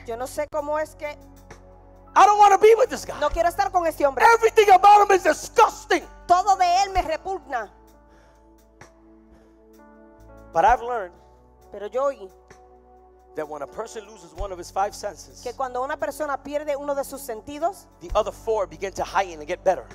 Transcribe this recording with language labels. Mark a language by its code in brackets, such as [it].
[es] Yo no sé cómo es que. [en] I don't want to be with this guy. [es] No quiero estar con este hombre. [en] Everything about him is disgusting. [es] Todo de él me repugna. [en] But I've learned. [es] Pero yo oí. [en] That when a person loses one of his five senses. [es] Que cuando una persona pierde uno de sus sentidos. [en] The other four begin to heighten and get better.